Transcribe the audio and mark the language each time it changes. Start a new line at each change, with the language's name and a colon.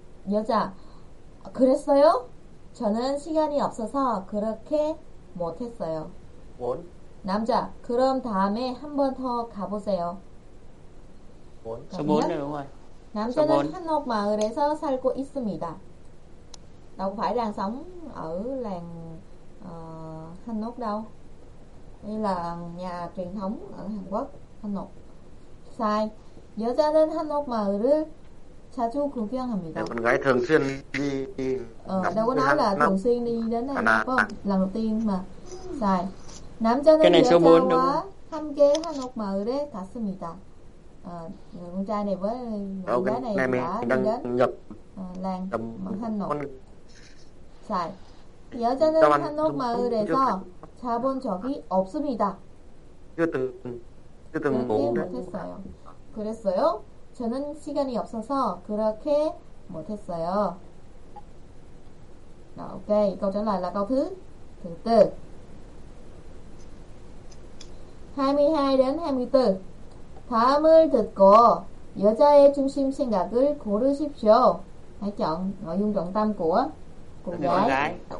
Korean: 여자, 그랬어요? 저는 시간이 없어서 그렇게 못했어요. 원. 남자, 그럼 다음에 한 번 더 가보세요. 원. 저 뭐냐, 영화. 남자는 한옥 마을에서 살고 있습니다.
Vietnamese: Đâu phải đang sống ở làng Hanok đâu. Đây là nhà truyền thống ở Hàn Quốc, Hanok. Sai.
Korean: 여자는 한옥 마을을 자주 구경합니다.
Vietnamese: Con gái thường xuyên đi. Đâu có nói là thường xuyên đi đến đây phải không? Lần đầu tiên mà. Sai.
Korean: 남자는
Vietnamese: cái này số 4 đúng.
Korean: 함께하는 마을에 갔습니다.
Vietnamese: Con trai này với người gái này đã đi đến làng Hàn Quốc. Sai.
Korean: 여자는 한옥 마을에서 자본 적이 없습니다. 못했어요. 그랬어요? 저는 시간이 없어서 그렇게 못했어요.
Vietnamese: OK. Câu trả lời là câu thứ 4. 22 đến 24.
Korean: 다음을 듣고 여자의 중심 생각을 고르십시오.
Vietnamese: Hãy chọn nội dung trọng tâm của cô gái.